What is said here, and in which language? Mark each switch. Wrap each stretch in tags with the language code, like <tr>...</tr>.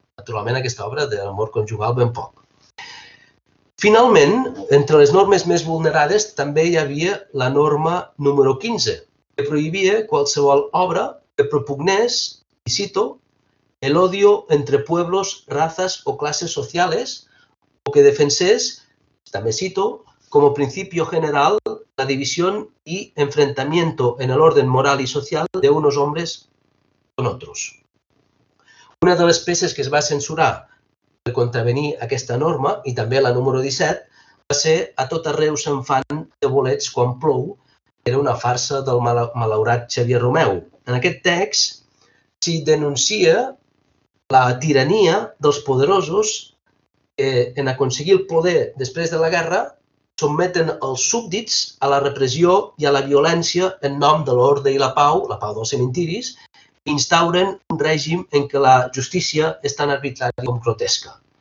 <ca>Naturalment, aquesta obra de l'amor conjugal ben poc. Finalment, entre les normes més vulnerades també hi havia la norma número 15, que prohibia qualsevol obra que propugnés, i cito,</ca> <es>el odio entre pueblos, razas o clases sociales,</es> <ca>o que defensés, també cito,</ca> <es>como principio general la división y enfrentamiento en el orden moral y social de unos hombres con otros.</es> <ca>Una de les peces que es va censurar per contravenir aquesta norma, i també la número 17, va ser a tot arreu se'n fan de bolets quan plou, que era una farsa del malaurat Xavier Romeu. En aquest text s'hi denuncia la tirania dels poderosos que, en aconseguir el poder després de la guerra, sotmeten els súbdits a la repressió i a la violència en nom de l'ordre i la pau dels cementiris, i instauren un règim en què la justícia és tan arbitrària com grotesca.</ca>